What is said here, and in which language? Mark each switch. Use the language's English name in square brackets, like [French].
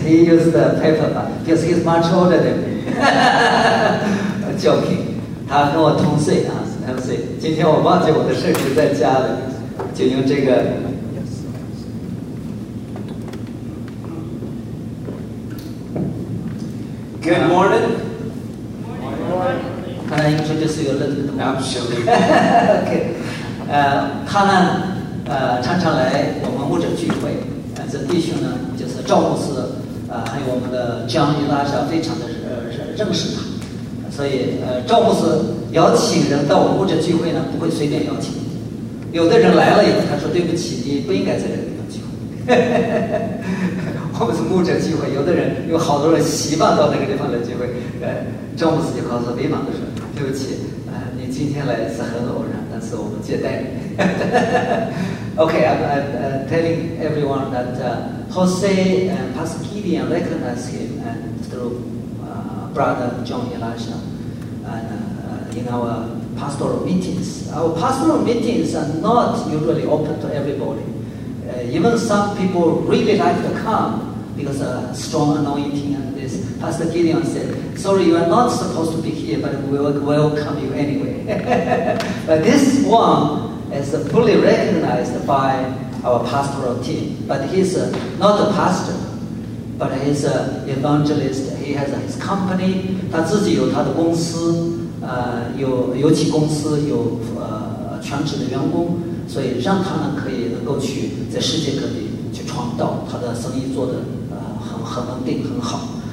[English] He used the paper because he's much older than me. Joking. [Chinese] 他跟我同岁啊，同岁。今天我忘记我的设置在家里，就用这个。 [English] Good morning. Introduce you a little bit more. Absolutely. Okay. [Chinese] 他呢，常常来我们牧者聚会。这弟兄呢，就是赵牧师，还有我们的江伊拉莎，非常的认识他。所以，赵牧师邀请人到我们牧者聚会呢，不会随便邀请。有的人来了以后，他说：“对不起，你不应该在这个地方聚会。”我们是牧者聚会，有的人有好多人习惯到那个地方来聚会。赵牧师就告诉别忙的说。对不起，你今天来是很偶然，但是我们接待你。 [English] Okay, I'm telling everyone that Jose and Pastor Gideon recognize him and through brother John Elisha and in our pastoral meetings. Our pastoral meetings are not usually open to everybody. Even some people really like to come because of strong anointing and this. Pastor Gideon said. Sorry, you are not supposed to be here, but we will welcome you anyway. But this one is fully recognized by our pastoral team. But he's not a pastor, but he's an evangelist. He has his company. [Chinese] 他自己有他的公司，有几公司有全职的员工，所以让他们可以能够去在世界各地去闯荡。他的生意做得很稳定，很好。